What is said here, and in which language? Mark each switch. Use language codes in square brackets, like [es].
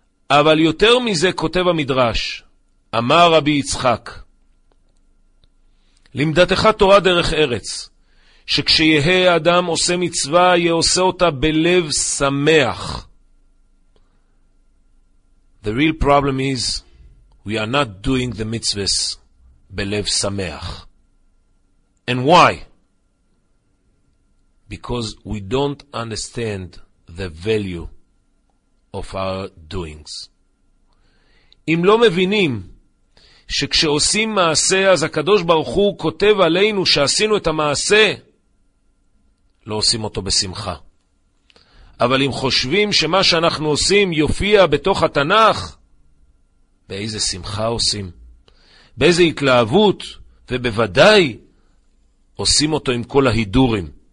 [he] אבל יותר מזה, כותב המדרש, אמר רבי יצחק, לימדתך תורה דרך ארץ, שכשיהיה אדם עושה מצווה, יהיה עושה אותה בלב שמח. [en] The real problem is, we are not doing the mitzvahs [he] בלב שמח. [en] And why? Because we don't understand the value of our doings. [he] אם לא מבינים, שכשעושים מעשה, אז הקדוש ברוך הוא כותב עלינו שעשינו את המעשה, לא עושים אותו בשמחה. אבל אם חושבים שמה שאנחנו עושים יופיע בתוך התנ"ך, באיזה שמחה עושים, באיזה התלהבות, ובוודאי עושים אותו עם כל ההידורים.